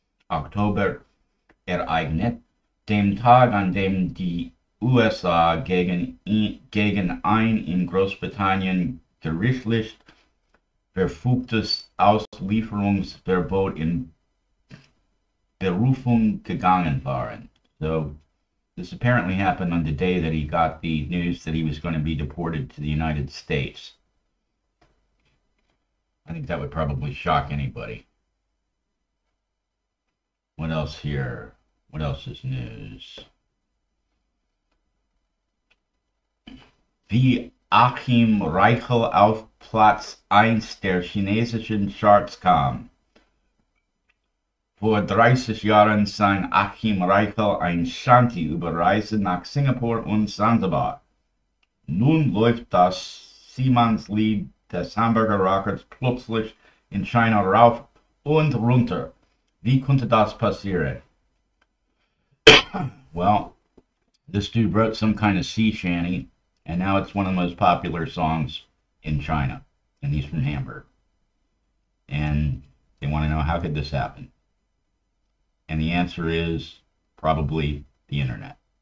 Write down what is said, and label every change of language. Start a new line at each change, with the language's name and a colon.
German: Oktober ereignet, dem Tag, an dem die USA gegen ein in Großbritannien gerichtlich verfügtes Auslieferungsverbot in Berufung gegangen waren.
English: So, this apparently happened on the day that he got the news that he was going to be deported to the United States. I think that would probably shock anybody. What else here? What else is news?
German: Wie Achim Reichel auf Platz 1 der chinesischen Charts kam. Vor 30 Jahren sang Achim Reichel ein Shanti über Reise nach Singapur und Sandabar. Nun läuft das Siemens-Lied des Hamburger Rockers plötzlich in China rauf und runter. Wie konnte das passieren? Well,
English: This dude wrote some kind of sea shanty, and now it's one of the most popular songs in China, and he's from Hamburg. And they want to know how could this happen? And the answer is probably the internet.